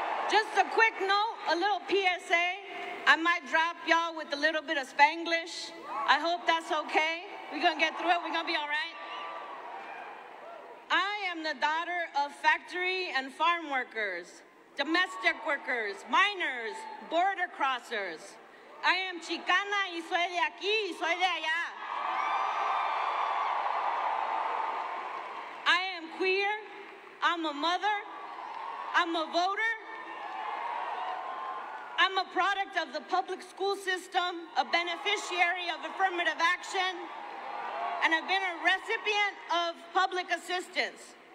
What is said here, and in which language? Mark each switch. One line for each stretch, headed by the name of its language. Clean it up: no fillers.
English: Just a quick note, a little PSA. I might drop y'all with a little bit of Spanglish. I hope that's okay. We're gonna get through it. We're gonna be all right. I am the daughter of factory and farm workers, domestic workers, miners, border crossers. I am
Spanish: Chicana y soy de aquí y soy de allá.
English: I am queer, I'm a mother, I'm a voter. I'm a product of the public school system, a beneficiary of affirmative action, and I've been a recipient of public assistance.